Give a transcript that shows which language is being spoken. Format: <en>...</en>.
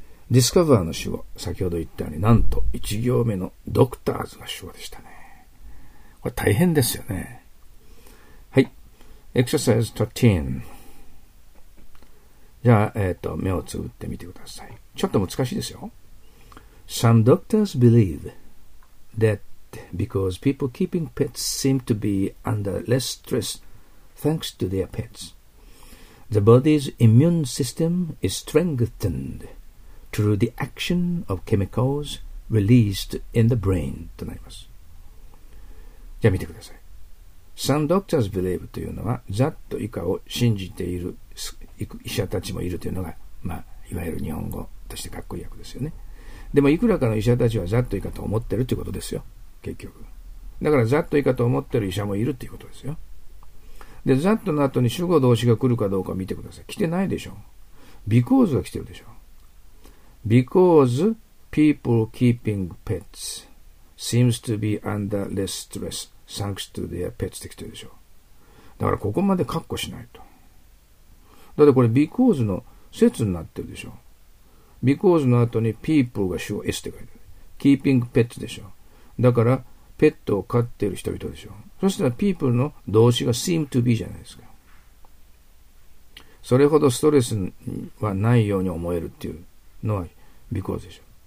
<ja>discover の主語、先ほど言ったようになんと1行目の doctors が主語でしたね。これ大変ですよね。エクササイズ13。じゃあ、目をつぶってみてください。ちょっと難しいですよ。</ja> <en>Some doctors believe that because people keeping pets seem to be under less stress thanks to their pets, the body's immune system is strengthened through the action of chemicals released in the brain</en> <ja>となります。じゃあ見てください。</ja> <en>Some doctors believe</en> <ja>というのは、ざっと以下を信じている医者たちもいるというのが、まあ、いわゆる日本語としてかっこいい訳ですよね。でも、いくらかの医者たちはざっと以下と思ってるということですよ。結局。だから、ざっと以下と思ってる医者もいるということですよ。で、ざっとの後に主語動詞が来るかどうか見てください。来てないでしょ。because が来てるでしょ。</ja> <en>because people keeping pets seems to be under less stress. Thanks to their pets</en> <ja>って来てるでしょ。だからここまで括弧しないと。だってこれ because の節になってるでしょ。because の後に people が主語 s って書いてある。keeping pets でしょ。だからペットを飼っている人々でしょ。そしたら people の動詞が seem to be じゃないですか。それほどストレスはないように思えるっていうのは because でしょ。</ja>